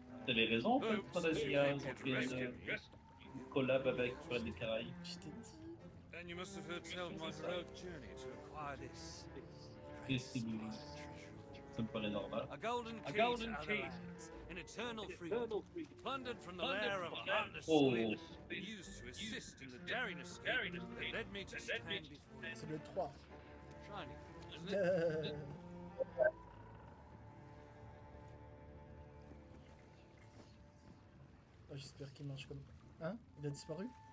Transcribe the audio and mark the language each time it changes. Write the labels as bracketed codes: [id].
[fr] T'as les raisons, en fait, pour la GIA, une collab avec Pirates des Caraïbes. [en] Then you must have heard tell of my heroic journey to acquire this. A golden key, an eternal freedom, plundered from the lair of a heartless slave, used to assist in the daring escape that led me to stand before you. [fr] C'est le 3. [en] Shining, isn't it? [fr] J'espère qu'il marche comme... Hein? Il a disparu?